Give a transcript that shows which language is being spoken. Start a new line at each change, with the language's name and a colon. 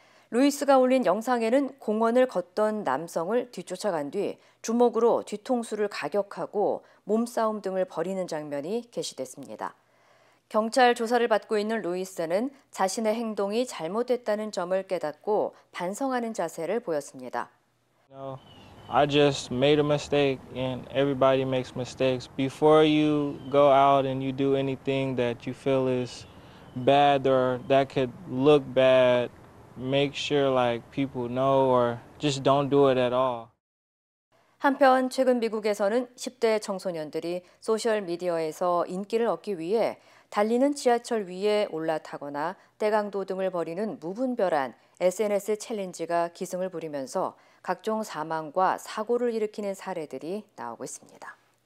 Korean: 루이스가 올린 영상에는 공원을 걷던 남성을 뒤쫓아간 뒤 주먹으로 뒤통수를 가격하고 몸싸움 등을 벌이는 장면이 게시됐습니다. 경찰 조사를 받고 있는 루이스는 자신의 행동이 잘못됐다는 점을 깨닫고 반성하는 자세를 보였습니다.
English: No, I just made a mistake and everybody makes mistakes. Before you go out and you do anything that you feel is bad or that could look bad, make sure like people know or just don't do it at all.
Korean: 한편 최근 미국에서는 10대 청소년들이 소셜미디어에서 인기를 얻기 위해 달리는 지하철 위에 올라타거나 떼강도 등을 벌이는 무분별한 SNS 챌린지가 기승을 부리면서 각종 사망과 사고를 일으키는 사례들이 나오고 있습니다.